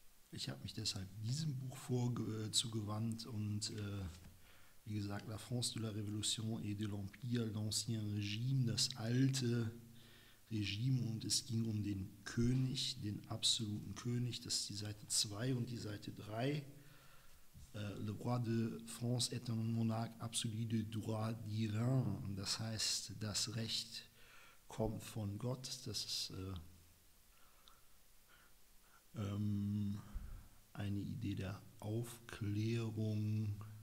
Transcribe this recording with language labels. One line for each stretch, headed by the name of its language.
German: Ich habe mich deshalb diesem Buch zugewandt und wie gesagt,
French: La France de la Révolution et de l'Empire, l'Ancien Régime,
German: das alte Regime, und es ging um den König, den absoluten König. Das ist die Seite 2 und die Seite 3.
French: Le roi de France est un monarque absolu de droit divin.
German: Das heißt, das Recht kommt von Gott. Das ist eine Idee der Aufklärung.